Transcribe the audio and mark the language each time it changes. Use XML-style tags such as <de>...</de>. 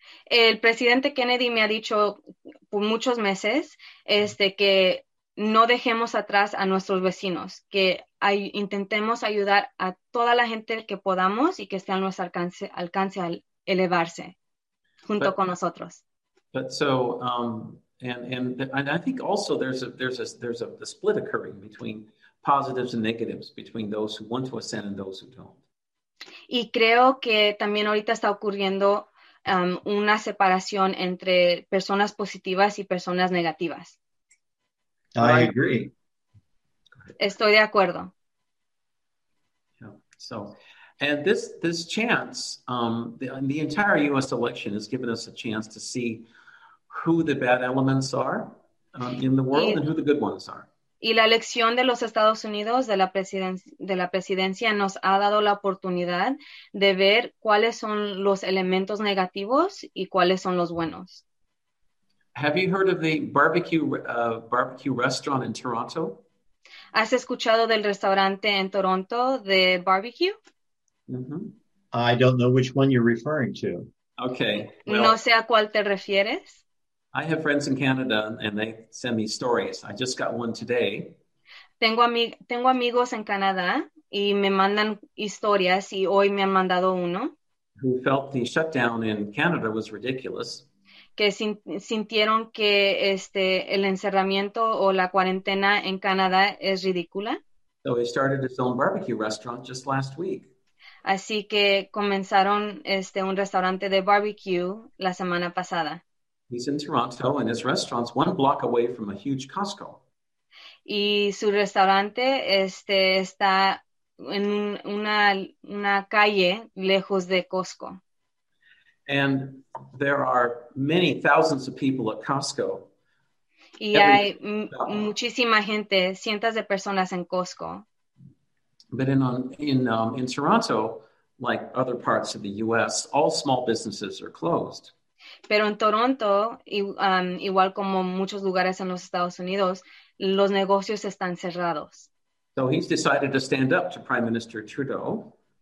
<es>El presidente Kennedy me ha dicho por muchos meses que no dejemos atrás a nuestros vecinos, que intentemos ayudar a toda la gente que podamos y que esté a nuestro alcance al elevarse junto con nosotros.</es> <en>But so and I think also there's a the split occurring between positives and negatives, between those who want to ascend and those who don't.</en> <es>Y creo que también ahorita está ocurriendo una separación entre personas positivas y personas negativas.</es> <en>I agree. Go</en> <es>Estoy de acuerdo.</es> <en>Yeah. So, and this chance, the entire U.S. election has given us a chance to see who the bad elements are in the world and who the good ones are.</en> <es>Y la elección de los Estados Unidos de la presidencia nos ha dado la oportunidad de ver cuáles son los elementos negativos y cuáles son los buenos.</es> <en>Have you heard of the barbecue restaurant in Toronto?</en> <es>¿Has escuchado del restaurante en Toronto de barbecue? Mm-hmm.</es> <en>I don't know which one you're referring to. Okay. Well,</en> <es>no sé a cuál te refieres.</es> <en>I have friends in Canada and they send me stories. I just got one today.</en> <es>Tengo amigos en Canadá y me mandan historias y hoy me han mandado uno.</es> <en>Who felt the shutdown in Canada was ridiculous.</en> <es>Que sintieron que el encerramiento o la cuarentena en Canadá es ridícula.</es> <en>So he started his own barbecue restaurant just last week.</en> <es>Así que comenzaron un restaurante de barbecue la semana pasada.</es> <en>He's in Toronto, and his restaurant's one block away from a huge Costco.</en> <es>Y su restaurante está en una calle lejos de Costco.</es> <en>And there are many thousands of people at Costco.</en> <es>Y hay muchísima gente, cientos de personas en Costco.</es> <en>But in Toronto, like other parts of the U.S., all small businesses are closed.</en> <es>Pero en Toronto, igual como muchos lugares en los Estados Unidos, los negocios están cerrados.</es> <en>So he's decided to stand up to Prime Minister Trudeau.</en>